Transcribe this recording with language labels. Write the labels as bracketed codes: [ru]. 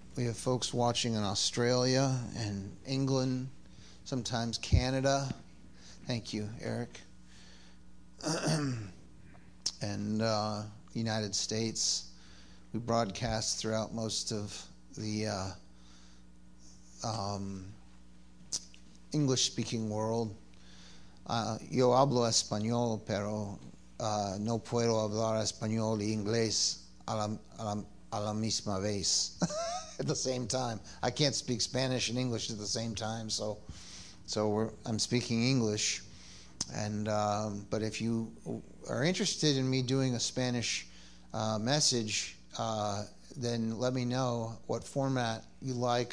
[en] We have folks watching in Australia and England, sometimes Canada. Thank you, Eric. And United States. We broadcast throughout most of the English-speaking world. [es] Yo hablo español, pero no puedo hablar español y inglés a la misma vez. [en] At the same time, I can't speak Spanish and English at the same time. So I'm speaking English. And but if you are interested in me doing a Spanish message, then let me know what format you like.